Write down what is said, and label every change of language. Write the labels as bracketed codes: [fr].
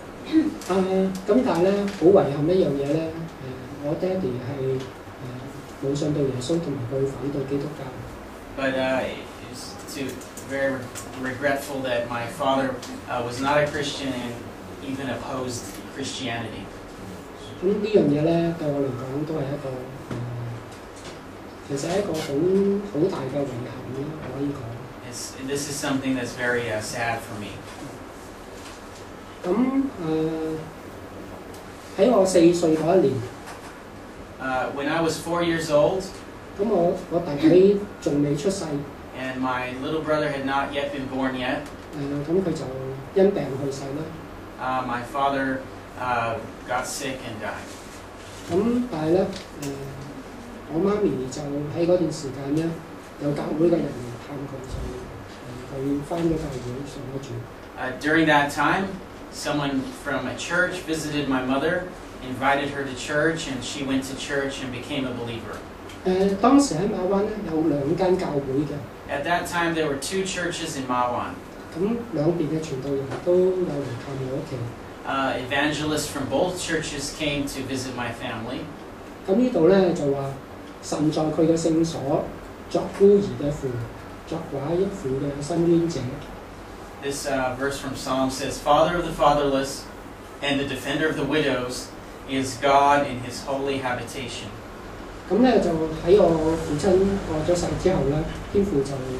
[yue] 咁但係咧，好遺憾一樣嘢咧，我爹哋係冇信到耶穌，同埋佢反對基督教。 [en] But it's too very regretful that my father was not a Christian and even opposed Christianity. [yue] 咁呢樣嘢咧，對我嚟講都係一個其實係一個好大嘅遺憾咯，可以講。 [en] This is something that's very sad for me. [yue] 咁喺我四歲嗰一年。 [en] When I was 4 years old. [yue] 咁我弟弟仲未出世。 [en] And my little brother had not yet been born yet. [yue] 咁佢就因病去世啦。 [en] My father got sick and died. [yue] 咁但係咧，我媽咪就喺嗰段時間咧，有教會嘅人嚟探佢，就佢翻咗教會上咗住。 [en] During that time, someone from a church visited my mother, invited her to church, and she went to church and became a believer. [yue] 當時喺馬灣咧有兩間教會嘅。 [en] At that time, there were two churches in Ma Wan. [yue] 咁兩邊嘅傳道人都有嚟探我屋企。 [en] Evangelists from both churches came to visit my family. [yue] 咁呢度咧就話神在佢嘅聖所作孤兒嘅父，作寡一父嘅伸冤者。 [en] This verse from Psalm says, "Father of the fatherless, and the defender of the widows, is God in His holy habitation." [yue] 咁咧就喺我父親過咗世之後咧，天父就